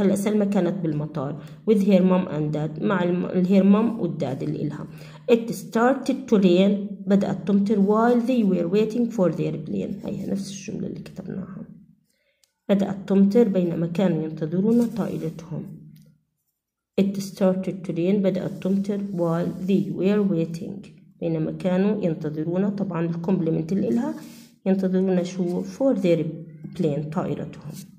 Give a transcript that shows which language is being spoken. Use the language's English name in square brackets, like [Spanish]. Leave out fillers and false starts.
[Arabic] هلا سلمى كانت بالمطار [English] with her mom and dad، [Arabic] مع [English] her mom [Arabic] والداد اللي إلها. [English] it started to rain، [Arabic] بدأت تمطر، [English] while they were waiting for their plane. [Arabic] هي نفس الجملة اللي كتبناها، بدأت تمطر بينما كانوا ينتظرون طائرتهم. [English] it started to rain، [Arabic] بدأت تمطر، [English] while they were waiting، [Arabic] بينما كانوا ينتظرون. طبعا الكومبلمنت اللي إلها ينتظرون شو؟ [English] for their plane [Arabic] طائرتهم.